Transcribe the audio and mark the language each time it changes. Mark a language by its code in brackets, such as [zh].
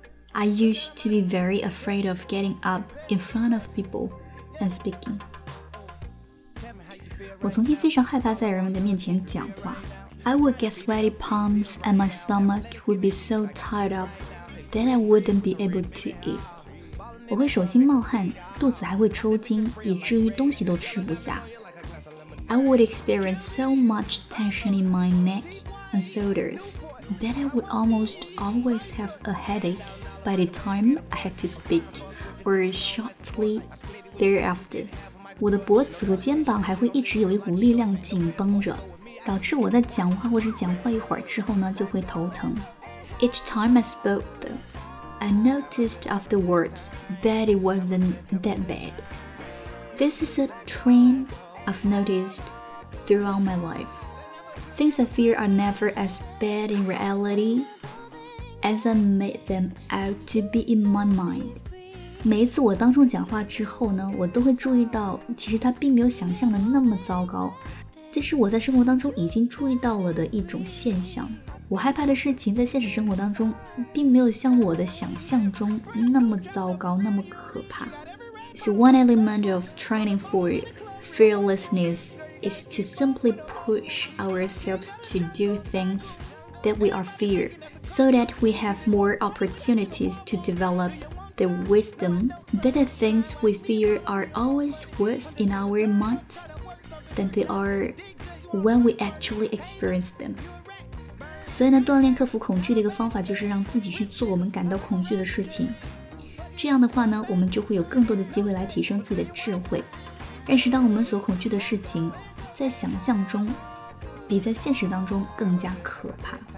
[en] I used to be very afraid of getting up in front of people and speaking。 [zh] 我曾经非常害怕在人们的面前讲话。 [en] I would get sweaty palms and my stomach would be so tied up that I wouldn't be able to eat. [zh] 我会手心冒汗，肚子还会抽筋，以至于东西都吃不下。 [en] I would experience so much tension in my neck and shoulders that I would almost always have a headache by the time I had to speak or shortly thereafter. [zh] 我的脖子和肩膀还会一直有一股力量紧绷着，导致我在讲话或者讲话一会儿之后呢，就会头疼。 [en] Each time I spoke, though, I noticed afterwards that it wasn't that bad. This is a trend I've noticed throughout my life. Things I fear are never as bad in reality as I made them out to be in my mind. [zh] 每一次我当众讲话之后呢，我都会注意到其实它并没有想象的那么糟糕，这是我在生活当中已经注意到了的一种现象。我害怕的事情在现实生活当中并没有像我的想象中那么糟糕，那么可怕。 [en] So one element of training for fearlessness is to simply push ourselves to do things that we are fear so that we have more opportunities to developThe wisdom that the things we fear are always worse in our minds than they are when we actually experience them. [zh] 所以呢，锻炼克服恐惧的一个方法就是让自己去做我们感到恐惧的事情。这样的话呢，我们就会有更多的机会来提升自己的智慧，认识到我们所恐惧的事情，在想象中比在现实当中更加可怕。